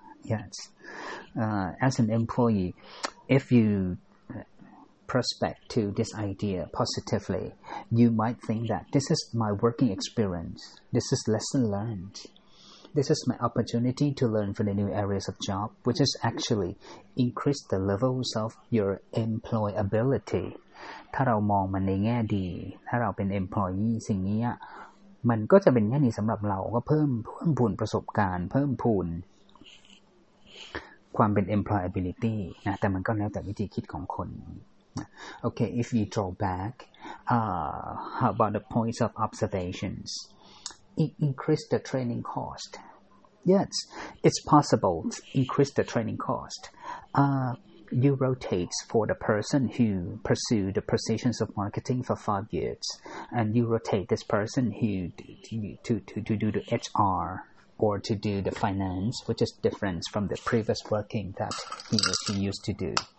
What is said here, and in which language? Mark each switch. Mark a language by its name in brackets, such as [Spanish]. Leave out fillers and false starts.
[English] Yes, as an employee, if you prospect to this idea positively, you might think that this is my working experience. This is lesson learned. This is my opportunity to learn for the new areas of job, which is actually increase the levels of your employability. [Thai] ถ้าเรามองมันในแง่ดีถ้าเราเป็น employee สิ่งนี้มันก็จะเป็นแง่ดีสำหรับเราก็เพิ่มพูนประสบการณ์เพิ่มพูนความเป็น employability นะแต่มันก็แล้วแต่วิธีคิดของคน [English] Okay, if you draw back, how about the points of observations? Increase the training cost. It's possible to increase the training cost. You rotate for the person who pursued the positions of marketing for 5 years, and you rotate this person who to do the HR or to do the finance, which is different from the previous working that he used to do.